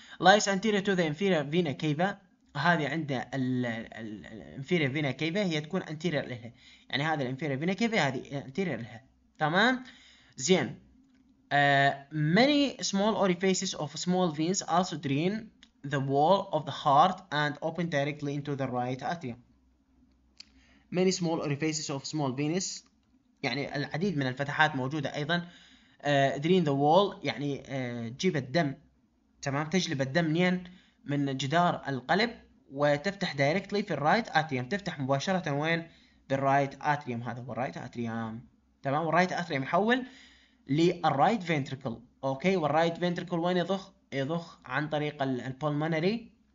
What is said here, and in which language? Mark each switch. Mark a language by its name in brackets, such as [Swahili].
[English] lies anterior to the inferior vena cava، [Arabic] هذه عند الانفيريور فينا كيفا هي تكون anterior لها، يعني هذا الانفيريور فينا كيفا هذه anterior لها، تمام زين. [English] Many small orifices of small veins also drain the wall of the heart and open directly into the right atrium. Many small orifices of small veins [Arabic] يعني العديد من الفتحات موجودة أيضا [English] drain the wall [Arabic] يعني تجيب الدم، تمام، تجلب الدم نين من جدار القلب وتفتح directly في الرايت atrium، تفتح مباشرة وين بالرايت atrium، هذا هو الرايت atrium، تمام، والرايت atrium يحول للرايت فينتريكل، اوكي، والرايت فينتريكل وين يضخ؟ يضخ عن طريق البولمونري